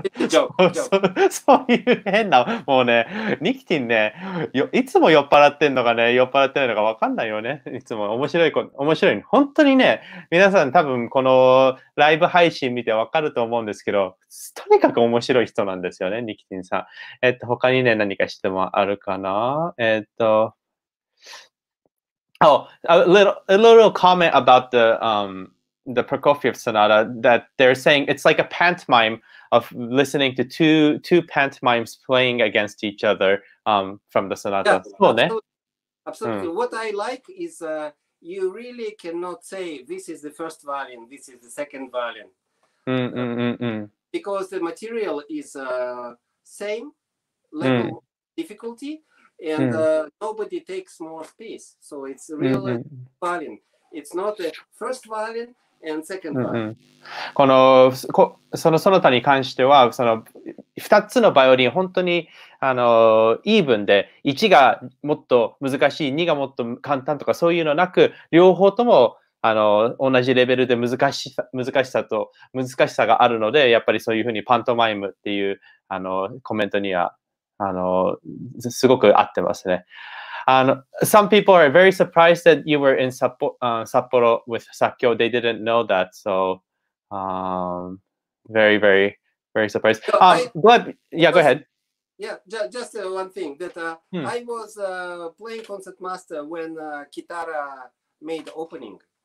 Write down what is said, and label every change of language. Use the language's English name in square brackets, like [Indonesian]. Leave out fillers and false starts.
[Japanese] そういう変な、もうね、ニキティンね、いつも酔っ払ってんのかね、酔っ払ってないのか分かんないよね。いつも面白い。本当にね、皆さん多分このライブ配信見て分かると思うんですけど、とにかく面白い人なんですよね、ニキティンさん。他にね、何か質問あるかな？ [English] Oh, a little comment about the Prokofiev Sonata, that they're saying it's like a pantomime of listening to two pantomimes playing against each other from the sonata. Yeah, absolutely. Absolutely. What I like is you really cannot say this is the first violin, this is the second violin. Because the material is same level difficulty, and nobody takes more space. So it's a real violin. It's not the first violin and second violin. [Japanese] このその他に関しては、その2つのバイオリン、本当にあのイーブンで、1がもっと難しい、2がもっと簡単とか、そういうのなく、両方ともあの同じレベルで難しさがあるので、やっぱりそういうふうにパントマイムっていうあのコメントにはあのすごく合ってますね。 [English] Some people are very surprised that you were in Sapporo with Sakyo. They didn't know that, so very, very, very surprised. Go ahead. Yeah, just one thing that I was playing concertmaster when Kitara made opening.